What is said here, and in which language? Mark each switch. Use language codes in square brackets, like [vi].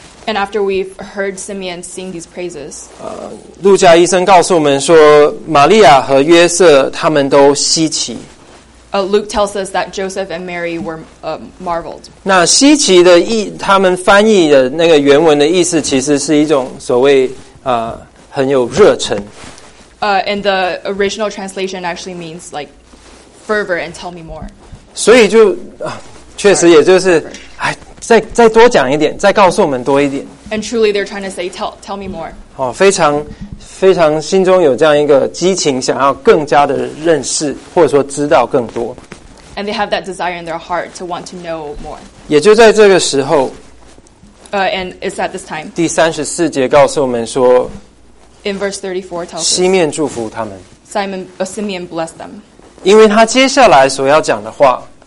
[en] And after we've heard Simeon sing these praises. [zh] 路加医生告诉我们说，玛利亚和约瑟他们都稀奇。 [en] Luke tells us that Joseph and Mary were marveled. [zh] 那稀奇的意，他们翻译的那个原文的意思，其实是一种所谓很有热忱。 [en] And the original translation actually means like fervor and tell me more. [zh] 所以就确实也就是，哎，再多讲一点，再告诉我们多一点。 [en] And truly, they're trying to say, tell me more. [zh] 哦，非常。非常心中有这样一个激情，想要更加的认识，或者说知道更多。 [en] And they have that desire in their heart to want to know more. [zh] 也就在这个时候。 [en] And it's at this time. [zh] 第三十四节告诉我们说。 [en] In verse 34 tells us. [zh] 西面祝福他们。 [en] Simeon blessed them. [zh] 因为他接下来所要讲的话。